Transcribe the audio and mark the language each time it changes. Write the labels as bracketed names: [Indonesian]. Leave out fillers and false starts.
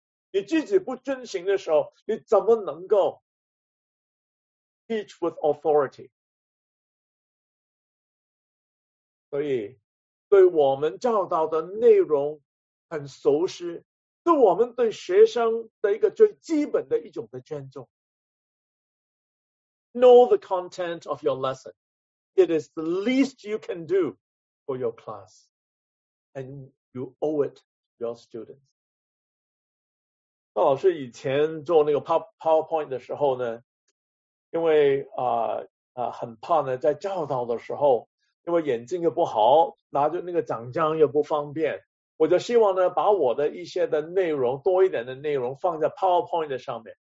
[Chinese] 你自己不遵行的时候，你怎么能够 [English] teach with authority？ [Chinese] 所以对我们教导的内容很熟悉，是我们对学生的一个最基本的一种的尊重。 [English] Know the content of your lesson. It is the least you can do for your class. And you owe it to your students. [Chinese] 老师以前做那个 PowerPoint 的时候呢，因为很怕呢，在教导的时候，因为眼睛又不好，拿着那个讲章又不方便，我就希望呢，把我的一些的内容，多一点的内容放在 PowerPoint 的上面。